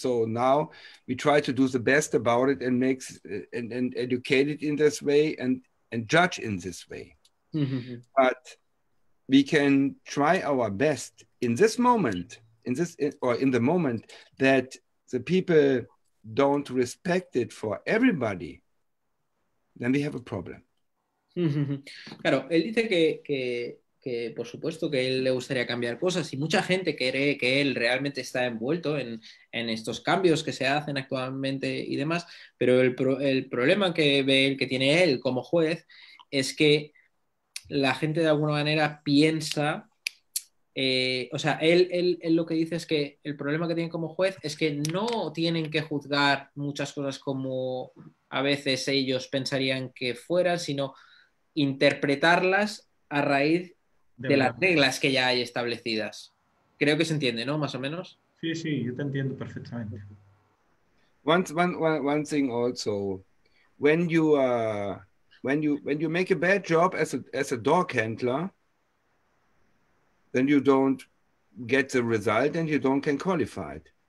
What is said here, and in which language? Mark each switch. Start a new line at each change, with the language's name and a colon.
English: So now we try to do the best about it and make and educate it in this way and judge in this way. But we can try our best in this moment. In the moment that the people don't respect it for everybody, then we have a problem.
Spanish: Claro, él dice que por supuesto que él le gustaría cambiar cosas y mucha gente cree que él realmente está envuelto en estos cambios que se hacen actualmente y demás, pero el problema que ve él, que tiene él como juez, es que la gente de alguna manera piensa... o sea, él lo que dice es que el problema que tiene como juez es que no tienen que juzgar muchas cosas como a veces ellos pensarían que fueran, sino interpretarlas a raíz de las reglas que ya hay establecidas. Creo que se entiende, ¿no? Más o menos. Sí, yo te entiendo perfectamente.
English: One thing also, when you make a bad job as a dog handler, then you don't get the result and you don't get qualified.